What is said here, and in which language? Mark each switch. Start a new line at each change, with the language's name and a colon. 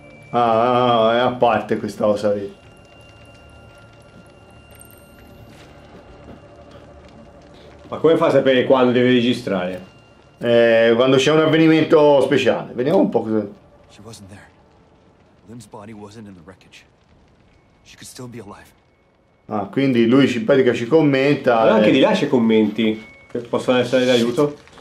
Italian: Ah, è a parte questa cosa lì. Ma come fa a sapere quando deve registrare? Quando c'è un avvenimento speciale. Vediamo un po' cosa...
English: She wasn't there. Lynn's body wasn't in the wreckage. She could still be alive.
Italian: Ah, quindi lui simpatica ci commenta... Ma anche di là c'è commenti. Che possono essere d'aiuto.